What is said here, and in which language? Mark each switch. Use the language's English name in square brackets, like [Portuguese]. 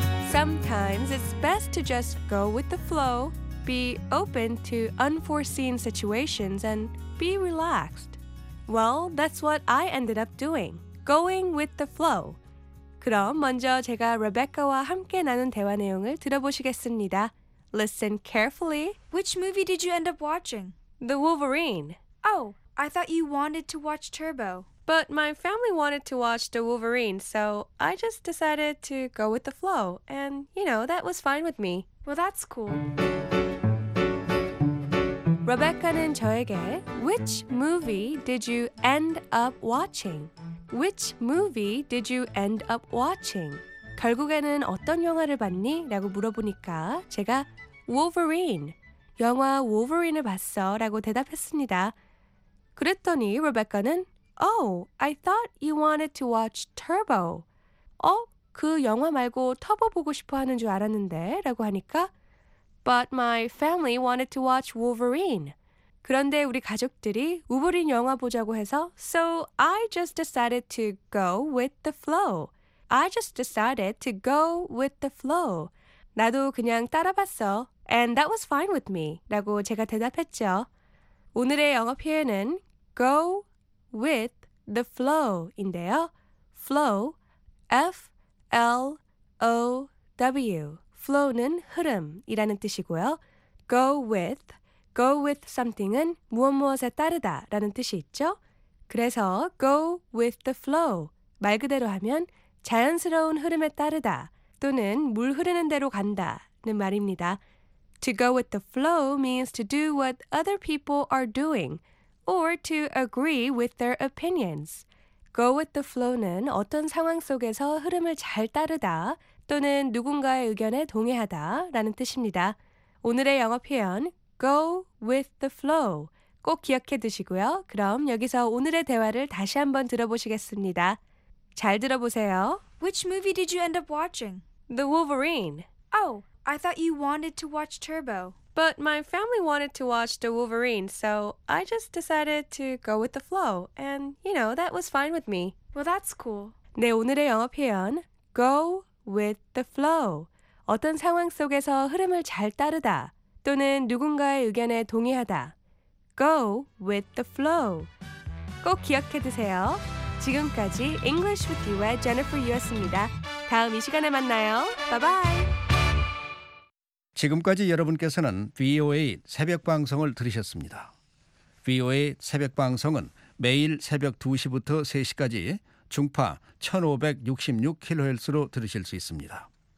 [English] Sometimes it's best to just go with the flow, be open to unforeseen situations, and be relaxed. Well, that's what I ended up doing, going with the flow. [Korean] 그럼 먼저 제가 레베카와 함께 나눈 대화 내용을 들어보시겠습니다. [English] Listen carefully. Which movie did you end up watching? The Wolverine. Oh, I thought you wanted to watch Turbo. But my family wanted to watch The Wolverine, so I just decided to go with the flow. And, you know, that was fine with me. Well, that's cool. [Korean] Rebecca는 저에게, [English] which movie did you end up watching? Which movie did you end up watching? [Korean] 결국에는 어떤 영화를 봤니? 라고 물어보니까 제가 Wolverine, 영화 Wolverine을 봤어 라고 대답했습니다. 그랬더니 Rebecca는 [English] Oh, I thought you wanted to watch Turbo. [Korean] 어? 그 영화 말고 터보 보고 싶어 하는 줄 알았는데? 라고 하니까 [English] But my family wanted to watch Wolverine. [Korean] 그런데 우리 가족들이 Wolverine 영화 보자고 해서 [English] So I just decided to go with the flow. I just decided to go with the flow. [Korean] 나도 그냥 따라 봤어. [English] And that was fine with me. [Korean] 라고 제가 대답했죠. 오늘의 영어 표현은 [English] go with the flow [Korean] 인데요. Flow, F-L-O-W. Flow는 흐름이라는 뜻이고요. [English] go with something [Korean] 은 무엇무엇에 따르다 라는 뜻이 있죠. 그래서 go with the flow, 말 그대로 하면 자연스러운 흐름에 따르다 또는 물 흐르는 대로 간다는 말입니다. [English] To go with the flow means to do what other people are doing or to agree with their opinions. [Korean] Go with the flow는 어떤 상황 속에서 흐름을 잘 따르다 또는 누군가의 의견에 동의하다 라는 뜻입니다. 오늘의 영어 표현 [English] go with the flow [Korean] 꼭 기억해 두시고요. 그럼 여기서 오늘의 대화를 다시 한번 들어보시겠습니다. 잘 들어보세요. [English] Which movie did you end up watching? The Wolverine. Oh, I thought you wanted to watch Turbo. But my family wanted to watch The Wolverine, so I just decided to go with the flow. And, you know, that was fine with me. Well, that's cool. [Korean] 네, 오늘의 영어 표현, [English] go with the flow. [Korean] 어떤 상황 속에서 흐름을 잘 따르다, 또는 누군가의 의견에 동의하다. [English] Go with the flow. [Korean] 꼭 기억해 두세요. 지금까지 English with You의 Jennifer Yu였습니다. 다음 이 시간에 만나요. [English] Bye-bye. [Korean] 지금까지 여러분께서는 VOA 새벽 방송을 들으셨습니다. VOA 새벽 방송은 매일 새벽 2시부터 3시까지 중파 1566kHz로 들으실 수 있습니다.